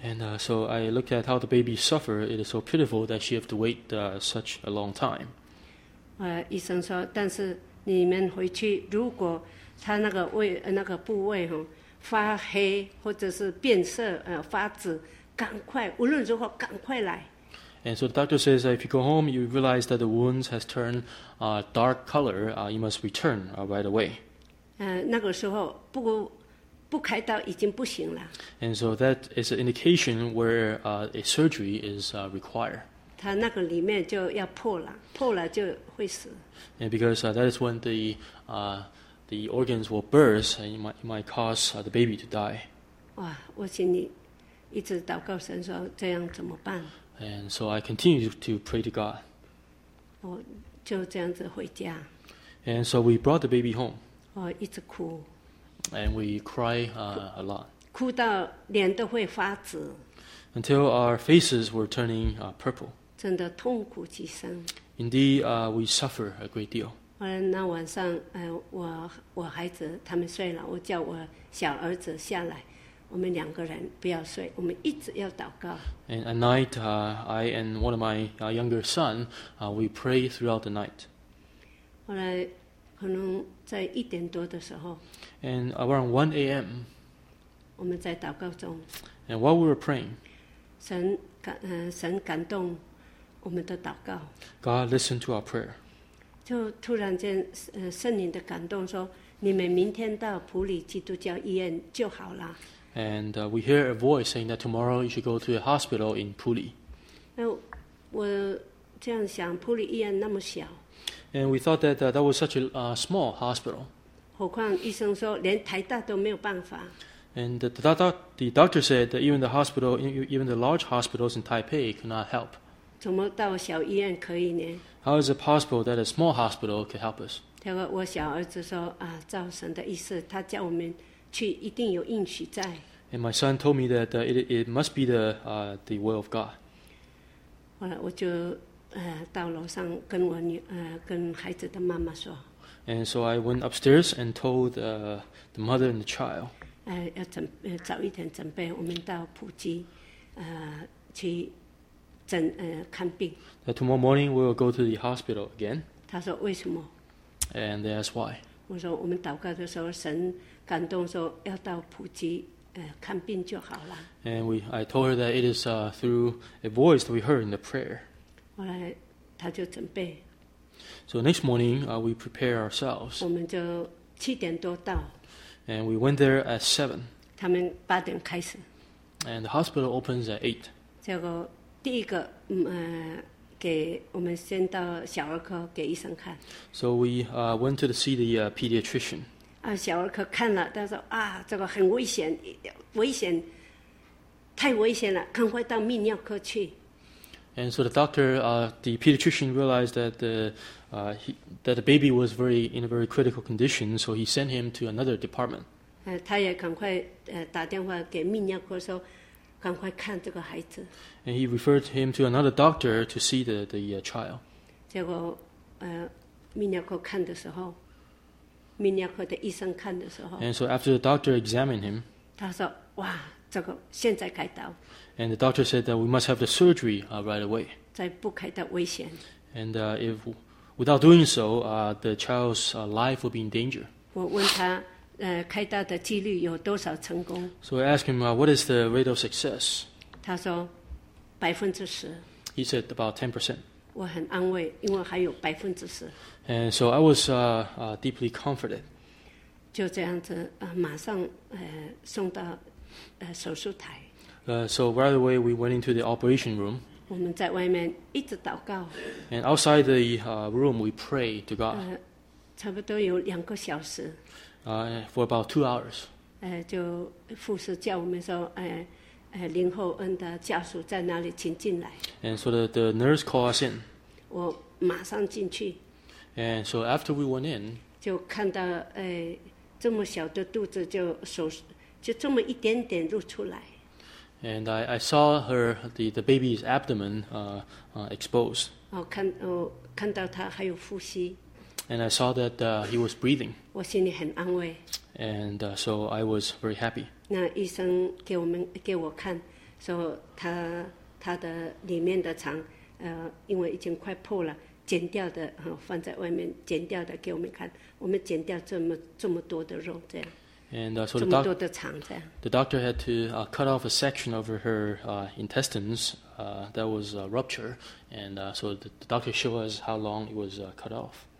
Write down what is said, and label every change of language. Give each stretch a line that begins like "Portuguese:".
English: And so I looked at how the baby suffered. It is so pitiful that she have to wait such a long time.
Chinese: 医生说，但是你们回去，如果他那个部位哈、发黑或者是变色发紫，赶快，无论如何赶快来。
English: And so the doctor says that if you go home, you realize that the wounds has turned dark color. You must return right away.
Chinese: 那个时候不开刀已经不行了。
English: And so that is an indication where a surgery is required.
Chinese: 它那个里面就要破了，破了就会死。
English: And because that is when the organs will burst, and it might cause the baby to die.
Chinese: 哇，我心里一直祷告神说这样怎么办？
English: And so I continue to pray to God.
Chinese: 我就这样子回家。
English: And so we brought the baby home.
Chinese: 哦，一直哭。
English: And we cry a lot.
Chinese: 哭到脸都会发紫。
English: Until our faces were turning purple.
Chinese: 真的痛苦极深。
English: Indeed, we suffer a great deal.
Chinese: 那晚上，我孩子他们睡了，我叫我小儿子下来。我们两个人不要睡，我们一直要祷告。
English: And at night, I and one of my younger son, we pray throughout the night.
Chinese: 后来，可能在一点多的时候。
English: And around 1 a.m.
Chinese: 我们在祷告中。
English: And while we were praying,
Chinese: 神感动我们的祷告。
English: God listened to our prayer.
Chinese: 就突然间，圣灵的感动说，你们明天到普里基督教医院就好了。
English: And we hear a voice saying that tomorrow you should go to a hospital in Puli.
Chinese: 我这样想，普里医院那么小。
English: And we thought that that was such a small hospital.
Chinese: 何况医生说连台大都没有办法。
English: And the doctor said that even the hospital, even the large hospitals in Taipei could not help.
Chinese: 怎么到小医院可以呢？
English: How is it possible that a small hospital could help us?
Chinese: 我小儿子说啊，照神的意思，他叫我们。去一定有应许在。
English: And my son told me that it must be the will of God.
Chinese: 我就到楼上跟我女跟孩子的妈妈说。
English: And so I went upstairs and told the mother and the child.
Chinese: 早一点准备，我们到普吉去诊看病。
English: That tomorrow morning we will go to the hospital again.
Chinese: 他说为什么
English: ？And they asked why.
Chinese: 我说我们祷告的时候神。感动说要到普吉看病就好了。
English: And I told her that it is through a voice that we heard in the prayer.
Chinese: 后来他就准备。
English: So next morning, we prepare ourselves.
Chinese: 我们就七点多到。
English: And we went there at 7.
Chinese: 他们八点开始。
English: And the hospital opens at 8.
Chinese: 结果第一个给我们先到小儿科给医生看。
English: So we went to see the pediatrician.
Chinese: 小儿科看了，他说：“啊，这个很危险，危险，太危险了，赶快到泌尿科去。”
English: And so the doctor, the pediatrician realized that the baby was in a very critical condition, so he sent him to another department.
Chinese: 他也赶快打电话给泌尿科说，赶快看这个孩子。
English: And he referred him to another doctor to see the child.
Chinese: 结果泌尿科看的时候。泌尿科的医生看的时候
English: ，And so after the doctor examined him，
Chinese: 他说：“哇，这个现在开刀。
English: ”And the doctor said that we must have the surgery right away。
Chinese: 再不开刀危险。
English: And if without doing so, the child's life will be in danger。
Chinese: 我问他，开刀的几率有多少成功
English: ？So I asked him, what is the rate of success？
Chinese: 他说10%。
English: He said about 10%。
Chinese: 我很安慰，因为还有10%。
English: And so I was deeply comforted.
Chinese: 就这样子，马上送到手术台。
English: So right away we went into the operation room.
Chinese: 我们在外面一直祷告。
English: And outside the room we pray to God.
Chinese: 差不多有两个小时。
English: For about 2 hours.
Chinese: 就护士叫我们说，林厚恩的家属在哪里，请进来。
English: And so the nurse called us in.
Chinese: 我马上进去。
English: And so after we went in,
Chinese: 就看到这么小的肚子就这么一点点露出来。
English: And I saw the baby's abdomen exposed.
Chinese: 看到他还有呼吸。
English: And I saw that he was breathing.
Chinese: 我心里很安慰。
English: And so I was very happy.
Chinese: 那医生给我看，说他的里面的肠因为已经快破了。剪掉的放在外面，剪掉的给我们看，我们剪掉这么多的肉，这样。
English: And so the doctor,
Chinese: 这么多的肠，这样。
English: The doctor had to cut off a section over her intestines that was rupture, and so the doctor showed us how long it was cut off.